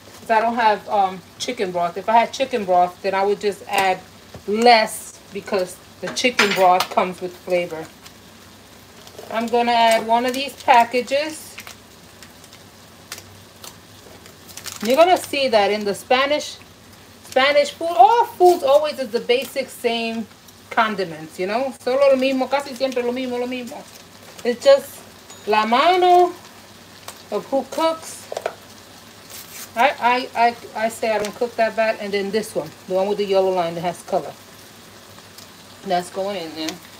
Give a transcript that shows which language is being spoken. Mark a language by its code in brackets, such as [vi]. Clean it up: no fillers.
[en] I don't have chicken broth. If I had chicken broth, then I would just add less because the chicken broth comes with flavor. I'm gonna add one of these packages. You're gonna see that in the Spanish food, all foods always is the basic same condiments, you know? [es] Solo lo mismo, casi siempre lo mismo. [en] It's just [es] la mano [en] of who cooks. I say I don't cook that bad. And then this one, the one with the yellow line that has color. That's going in there.